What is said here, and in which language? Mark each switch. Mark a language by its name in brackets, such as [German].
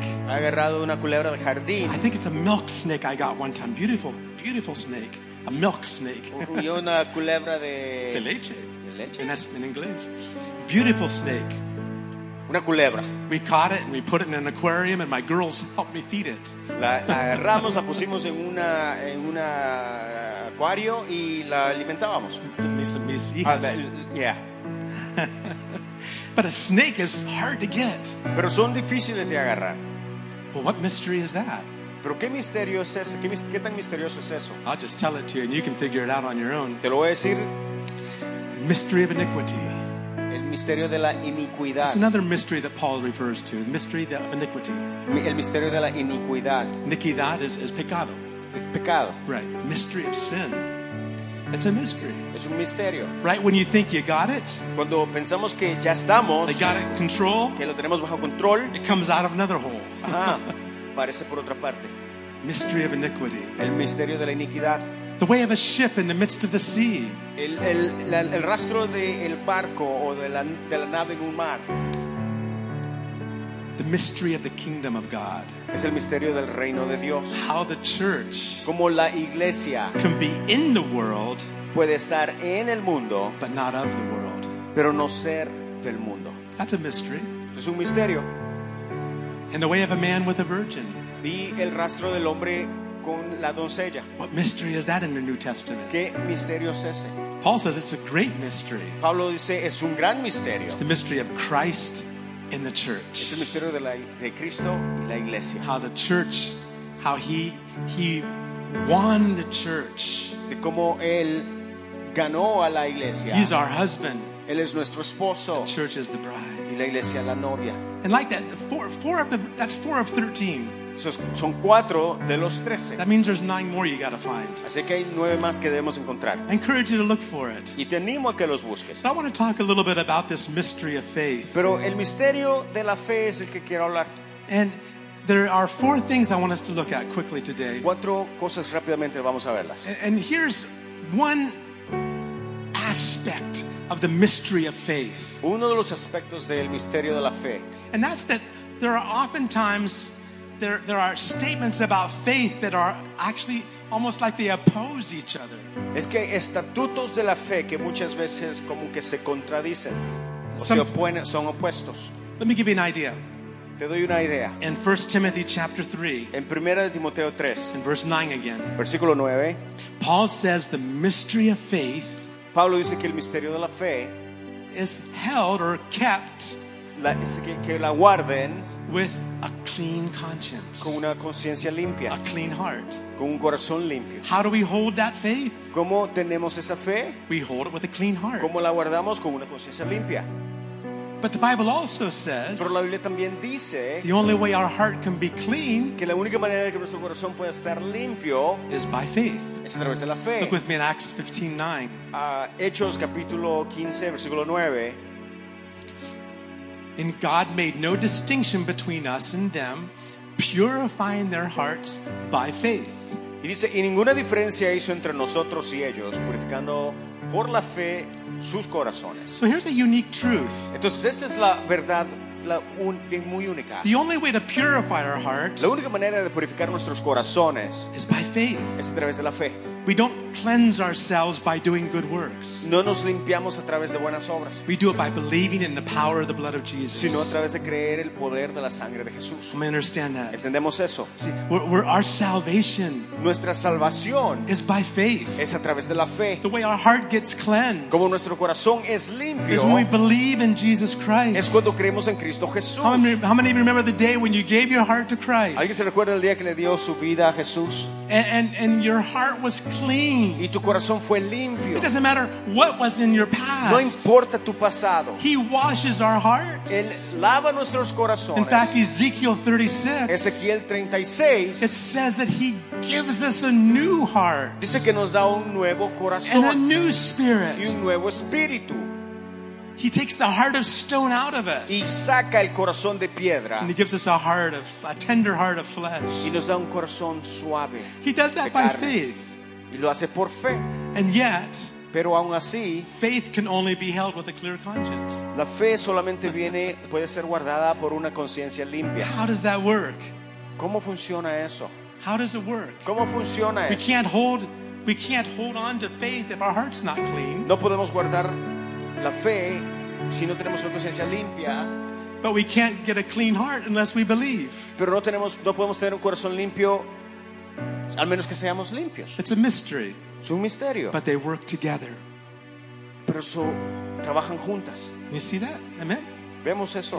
[Spanish] He agarrado una culebra de jardín. [English] I think it's a milk snake I got one time. Beautiful, beautiful snake. A milk snake. [Spanish] Y una culebra de... De leche. De leche. [English] And that's in English. Beautiful snake. [Spanish] Una culebra. [English] We caught it and we put it in an aquarium and my girls helped me feed it. [Spanish] La agarramos, la pusimos en una acuario y la alimentábamos. Mis hijas. [English] Yeah. But a snake is hard to get. [Spanish] Pero son difíciles de agarrar. [English] Well, what mystery is that? [Spanish] ¿Pero qué misterio es ese? ¿Qué tan misterioso es eso? [English] I'll just tell it to you and you can figure it out on your own. [Spanish] Te lo voy a decir [English] mystery of iniquity. [Spanish] El misterio de la iniquidad. [English] It's another mystery that Paul refers to, the mystery of iniquity. [Spanish] El misterio de la iniquidad. Iniquidad is pecado. Pecado. [English] Right. Mystery of sin. It's a mystery. [Spanish] Es un misterio. [English] Right when you think you got it. [Spanish] Cuando pensamos que ya estamos. [English] They got it in control. [Spanish] Que lo tenemos bajo control. [English] It comes out of another hole. [Spanish] Ajá. Parece por otra parte. [English] Mystery of iniquity. [Spanish] El misterio de la iniquidad. [English] The way of a ship in the midst of the sea. [Spanish] El rastro del barco o de la nave en un mar. [English] The mystery of the kingdom of God. [Spanish] Es el misterio del reino de Dios. [English] How the church. [Spanish] Como la iglesia. [English] Can be in the world. [Spanish] Puede estar en el mundo. [English] But not of the world. [Spanish] Pero no ser del mundo. [English] That's a mystery. [Spanish] Es un misterio. [English] In the way of a man with a virgin. [Spanish] Y el rastro del hombre con la doncella. [English] What mystery is that in the New Testament? [Spanish] ¿Qué misterio es ese? [English] Paul says it's a great mystery. [Spanish] Pablo dice es un gran misterio. [English] It's the mystery of Christ in the church. [Spanish] Es el misterio de Cristo y la iglesia. [English] How the church, how he won the church. [Spanish] De cómo él ganó a la iglesia. [English] He's our husband. [Spanish] Él es nuestro esposo. [English] The church is the bride. [Spanish] Y la iglesia la novia. [English] And like that, that's 4 of 13. [Spanish] Son 4 de los 13. [English] That means there's 9 more you got to find. [Spanish] Así que hay 9 más que debemos encontrar. [English] I encourage you to look for it. [Spanish] Y te animo a que los busques. [English] But I want to talk a little bit about this mystery of faith. [Spanish] Pero el misterio de la fe es el que quiero hablar. [English] And there are 4 things I want us to look at quickly today. [Spanish] 4 cosas rápidamente vamos a verlas. [English] And here's one aspect of the mystery of faith. [Spanish] Uno de los aspectos del misterio de la fe. [English] And that's that there are oftentimes There are statements about faith that are actually almost like they oppose each other. [Spanish] Es que estatutos de la fe que muchas veces como que se contradicen o se oponen, son opuestos. [English] Let me give you an idea. [Spanish] Te doy una idea. [English] In 1 Timothy chapter 3. [Spanish] En Primera de Timoteo 3. [English] In verse 9 again. [Spanish] Versículo 9. [English] Paul says the mystery of faith. [Spanish] Pablo dice que el misterio de la fe [English] is held or kept. [Spanish] Que la guarden. [English] With a clean conscience. [Spanish] Con una conciencia limpia. [English] A clean heart. [Spanish] Con un corazón limpio. [English] How do we hold that faith? [Spanish] ¿Cómo tenemos esa fe? [English] We hold it with a clean heart. [Spanish] ¿Cómo la guardamos? Con una conciencia limpia. [English] But the Bible also says. [Spanish] Pero la Biblia también dice. [English] The only way our heart can be clean. [Spanish] Que la única manera que nuestro corazón pueda estar limpio. [English] Is by faith. [Spanish] Es a través de la fe. [English] Look with me in Acts 15:9. [Spanish] Hechos capítulo 15 versículo 9. [English] And God made no distinction between us and them, purifying their hearts by faith. [Spanish] Y dice, y ninguna diferencia hizo entre nosotros y ellos, purificando por la fe sus corazones. [English] So here's a unique truth. [Spanish] Entonces esta es la verdad muy única. [English] The only way to purify our heart. [Spanish] La única manera de purificar nuestros corazones. [English] Is by faith. [Spanish] Es a través de la fe. [English] We don't cleanse ourselves by doing good works. [Spanish] No nos limpiamos a través de buenas obras. [English] We do it by believing in the power of the blood of Jesus. [Spanish] Sino a través de creer el poder de la sangre de Jesús. [English] We understand that. [Spanish] Entendemos eso. [English] See, we're our salvation. [Spanish] Nuestra salvación [English] is by faith. [Spanish] Es a través de la fe. [English] The way our heart gets cleansed. [Spanish] Como nuestro corazón es limpio. [English] Is when we believe in Jesus Christ. [Spanish] Es cuando creemos en Cristo Jesús. [English] How many remember the day when you gave your heart to Christ? [Spanish] ¿Alguien se recuerda el día que le dio su vida a Jesús? [English] And your heart was clean. [Spanish] Y tu corazón fue limpio. [English] It doesn't matter what was in your past. [Spanish] No importa tu pasado. [English] He washes our hearts. [Spanish] Él lava nuestros corazones. [English] In fact, Ezekiel 36. [Spanish] Ezequiel 36. [English] It says that he gives us a new heart. [Spanish] Dice que nos da un nuevo corazón. [English] And a new spirit. [Spanish] Y un nuevo espíritu. [English] He takes the heart of stone out of us. [Spanish] Y saca el corazón de piedra. [English] And he gives us a tender heart of flesh. [Spanish] Y nos da un corazón suave. [English] He does that by faith. [Spanish] Y lo hace por fe. [English] And yet, [Spanish] pero aún así, [English] faith can only be held with a clear conscience. [Spanish] La fe solamente viene, puede ser guardada por una conciencia limpia. [English] How does that work? [Spanish] ¿Cómo funciona eso? [English] How does it work? [Spanish] ¿Cómo funciona eso? [English] We can't hold on to faith if our heart's not clean. [Spanish] No podemos guardar la fe si no tenemos una conciencia limpia. [English] But we can't get a clean heart unless we believe. [Spanish] Pero no podemos tener un corazón limpio. Al menos que seamos limpios. [English] It's a mystery. [Spanish] Es un misterio. [English] But they work together. [Spanish] Pero eso trabajan juntas. [English] You see that? Amen. [Spanish] Vemos eso.